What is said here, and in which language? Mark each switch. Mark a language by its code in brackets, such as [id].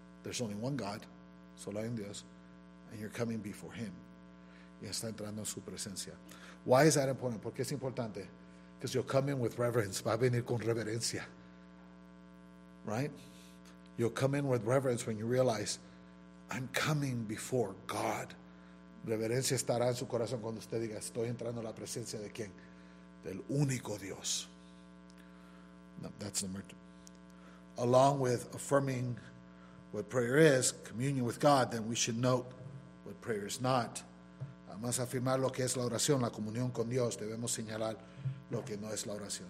[en] There's only one God, [es] solo hay un Dios, [en] and you're coming before Him. [es] Y está entrando en su presencia. [en] Why is that important? [es] ¿Por qué es importante? [en] Because you'll come in with reverence. [es] Va a venir con reverencia. [en] Right? You'll come in with reverence when you realize, I'm coming before God. [es] Reverencia estará en su corazón cuando usted diga, estoy entrando en la presencia de quién? Del único Dios. [en] No, that's the merchant. Along with affirming what prayer is, communion with God, then we should note what prayer is not. [es] Además, afirmar lo que es la oración, la comunión con Dios, debemos señalar lo que no es la oración.